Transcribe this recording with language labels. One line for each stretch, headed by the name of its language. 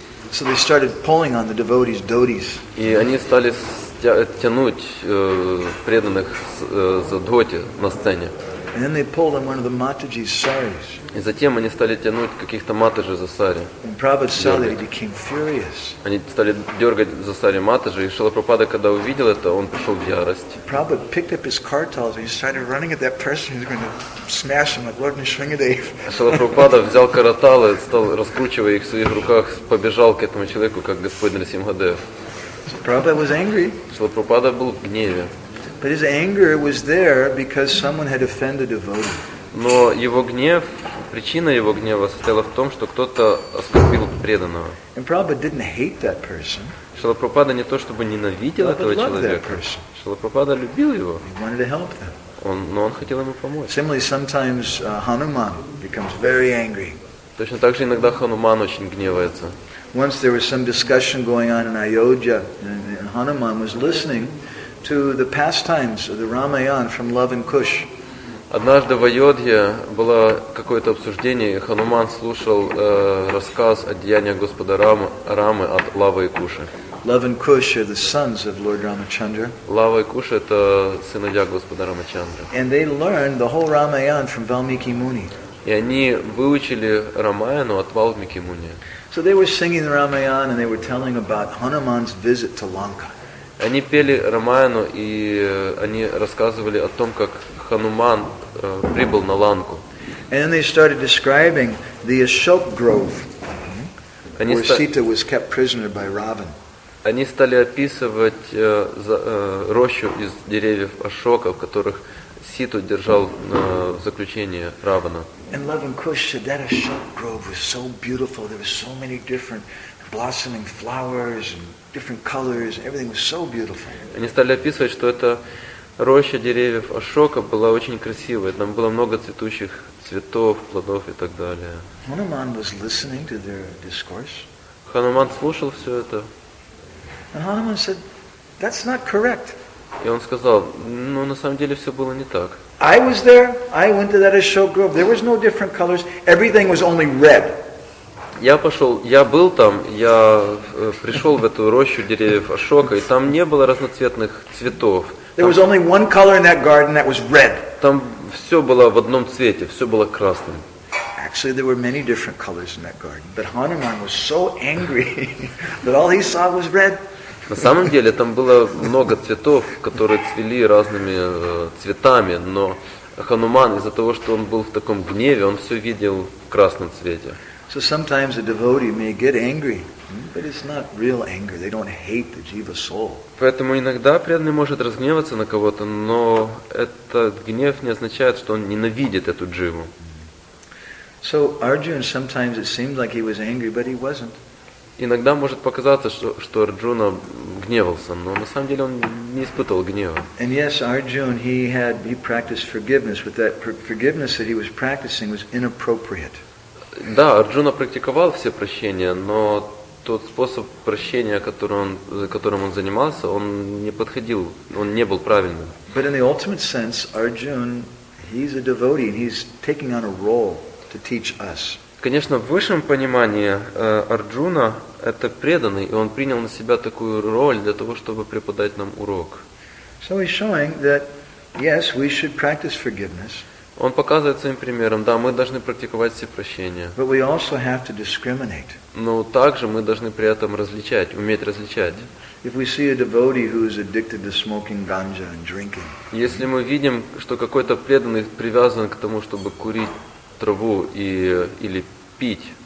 English: So they started pulling on the devotees' dhotis.
Russian: И они стали тянуть преданных за дхоти на сцене.
English: And then they pulled on one of the Mataji's saris.
Russian: И затем они стали тянуть каких-то матаджи за сари.
English: And Prabhupada saw that he became furious.
Russian: Они стали дергать за сари матаджи, и Шрила Прабхупада, когда увидел это, он пришел в ярость.
English: Prabhupada picked up his cartels and he started running at that person who's going to smash him like Lord Nrisimhadev.
Russian: Шрила Прабхупада взял караталы, стал раскручивая их в своих руках, побежал к этому человеку как Господь Нрисимхадев.
English: Prabhupada was angry.
Russian: Шрила Прабхупада был в гневе.
English: But his anger was there because someone had offended a devotee.
Russian: Но его гнев, причина его гнева состояла в том, что кто-то оскорбил преданного.
English: And Prabhupada didn't hate that person.
Russian: Шрила Прабхупада не то чтобы ненавидел этого человека. Шрила Прабхупада любил его.
English: He wanted to help them.
Russian: Он хотел ему помочь.
English: Similarly, sometimes Hanuman becomes very angry.
Russian: Точно так же иногда Хануман очень гневается.
English: Once there was some discussion going on in Ayodhya, and Hanuman was listening to the pastimes of the Ramayana from Love and Kush.
Russian: Однажды в Айодхе было какое-то обсуждение, и Хануман слушал рассказ о деяниях Господа Рамы от Лавы и Куши.
English: Love and Kush are the sons of Lord Ramachandra.
Russian: Лава и Куша — это сыновья Господа Рамачандры.
English: And they learned the whole Ramayana from Valmiki Muni.
Russian: И они выучили Рамаяну от Валмики Муни.
English: So they were singing the Ramayana and they were telling about Hanuman's visit to Lanka.
Russian: Они пели Рамаяну, и они рассказывали о том, как Хануман прибыл на Ланку.
English: And then they started describing the Ashok Grove, where Sita was kept prisoner by Ravan.
Russian: Они стали описывать рощу из деревьев Ашока, в которых Ситу держал в заключении Равана.
English: And loving Kush, Siddhartha's shelf grove was so beautiful. There were so many different blossoming flowers and different colors. Everything was so beautiful.
Russian: Они стали описывать, что это роща деревьев Ашока была очень красивой. Там было много цветущих цветов, плодов и так далее.
English: Hanuman was listening to their discourse.
Russian: Хануман слушал все это.
English: And Hanuman said, "That's not correct."
Russian: И он сказал, ну, на самом деле все было не так.
English: I was there. I went to that Ashok Grove. There was no different colors. Everything was only red.
Russian: Я был там. Я пришел в эту рощу деревьев Ашока, и там не было разноцветных цветов.
English: There was only one color in that garden that was red.
Russian: Там все было в одном цвете, все было красным.
English: Actually, there were many different colors in that garden, but Hanuman was so angry that all he saw was red.
Russian: На самом деле, там было много цветов, которые цвели разными цветами, но Хануман, из-за того, что он был в таком гневе, он все видел в красном цвете.
English: So sometimes a devotee may get angry, but it's not real anger. They don't hate the jiva soul.
Russian: Поэтому иногда преданный может разгневаться на кого-то, но этот гнев не означает, что он ненавидит эту дживу.
English: So Arjun sometimes it seemed like he was angry, but he wasn't.
Russian: Иногда может показаться, что Арджуна гневался, но на самом деле он не испытывал гнева.
English: And yes, Arjun, he practiced forgiveness, but that forgiveness that he was practicing was inappropriate.
Russian: Да, Арджуна практиковал все прощения, но тот способ прощения, которым он занимался, он не подходил, он не был правильным.
English: But in the ultimate sense, Arjun, he's a devotee and he's taking on a role to teach us.
Russian: Конечно, в высшем понимании Арджуна – это преданный, и он принял на себя такую роль для того, чтобы преподать нам урок.
English: So he's showing that, yes, we should practice forgiveness.
Russian: Он показывает своим примером, да, мы должны практиковать все прощения.
English: But we also have to discriminate.
Russian: Но также мы должны при этом различать, уметь различать.
English: If we see a devotee who is addicted to smoking ganja and drinking.
Russian: Если мы видим, что какой-то преданный привязан к тому, чтобы курить траву или пить.